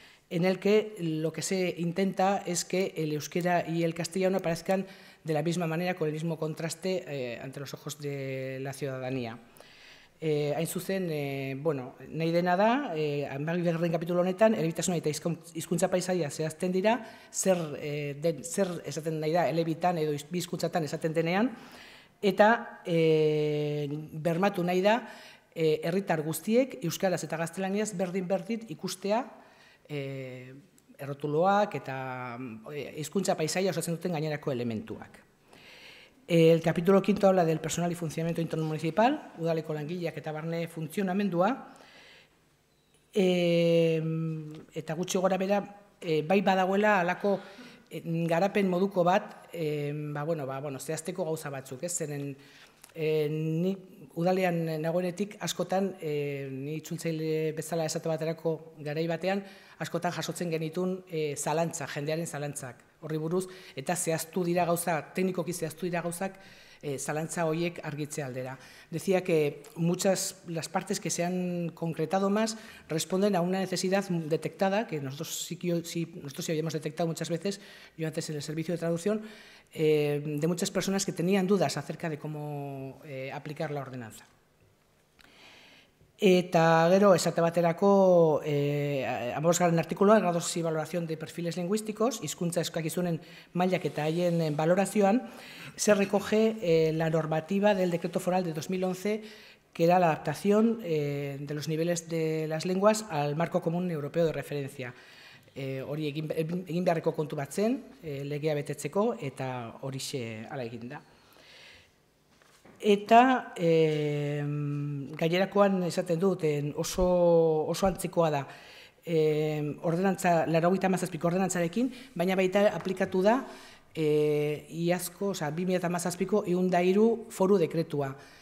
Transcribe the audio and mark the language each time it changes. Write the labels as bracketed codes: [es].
[es] en el que lo que se intenta es que el euskera y el castellano aparezcan de la misma manera, con el mismo contraste ante los ojos de la ciudadanía. [eu] Hain zuzen, nahi dena da, bigarren kapitulu honetan, elebitasuna eta hizkuntza paisaia zehazten dira, zer esaten nahi da elebitan edo bi hizkuntzatan esaten denean, eta bermatu nahi da herritar guztiek euskaraz eta gaztelaniaz berdin-berdin ikustea errotuloak eta hizkuntza paisaia osatzen duten gainerako elementuak. [es] El capítulo quinto habla del personal y funcionamiento interno municipal, [eu] udaleko langileak eta barne funtzionamendua, eta gutxi gora bera, bai badagoela alako garapen moduko bat, zehazteko gauza batzuk, ez? Zeren, ni udalean nagoenetik askotan, ni itzultzaile bezala esate baterako garai batean, askotan jasotzen genitun zalantza, jendearen zalantzak. Horri buruz, eta zehaztu dira gauza, teknikoki zehaztu dira gauzak, zalantza horiek argitze aldera. [es] Decía que muchas las partes que se han concretado más responden a una necesidad detectada, que nosotros sí habíamos detectado muchas veces, yo antes en el servicio de traducción, de muchas personas que tenían dudas acerca de cómo aplicar la ordenanza. [eu] Eta gero, esate baterako, ambos garen artikuloa, [es] grados y valoración de perfiles lingüísticos, [eu] hizkuntza eskakizunen mailak eta haien valorazioan, [es] se recoge la normativa del decreto foral de 2011, que era la adaptación de los niveles de las lenguas al marco común europeo de referencia. [eu] Hori egin beharreko kontu bat zen, legea betetzeko, eta hori xe ala eginda. Eta gainerakoan esaten dut oso antzekoa da ordenantza, 97ko ordenantzarekin, baina baita aplikatu da 2017ko 103 foru dekretua.